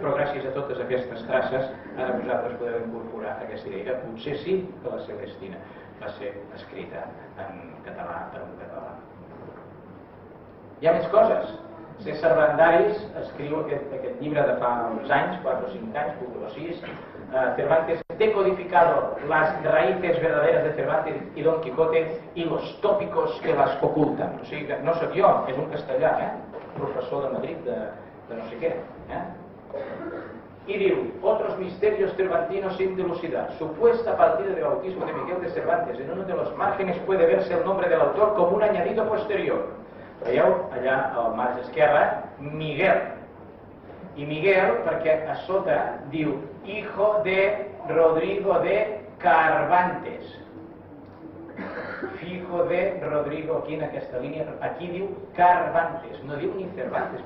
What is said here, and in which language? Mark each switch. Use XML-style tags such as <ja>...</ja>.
<ca>Però gràcies a totes aquestes traces, ara vosaltres podeu incorporar aquesta idea. Potser sí que la Celestina va ser escrita en català per un català. Hi ha més coses. César Brandaris escriu aquest llibre de fa uns anys, 4 o 5 anys, 4 o 6.</ca> <es>Cervantes té codificado las raíces verdaderas de Cervantes y Don Quijote y los tópicos que las ocultan.</es> <ca>O sigui, no sóc jo, és un castellà, professor de Madrid, de no sé què. I diu,</ca> <es>otros misterios cervantinos sin dilucidar. Supuesta partida de bautismo de Miguel de Cervantes. En uno de los márgenes puede verse el nombre del autor como un añadido posterior.</es> <ca>Veieu, allà al marge esquerre, Miguel. I Miguel, perquè a sota diu,</ca> <es>hijo de Rodrigo de Cervantes. Hijo de Rodrigo,</es> <ca>aquí en aquesta línia, aquí diu Cervantes, no diu ni Cervantes.</ca>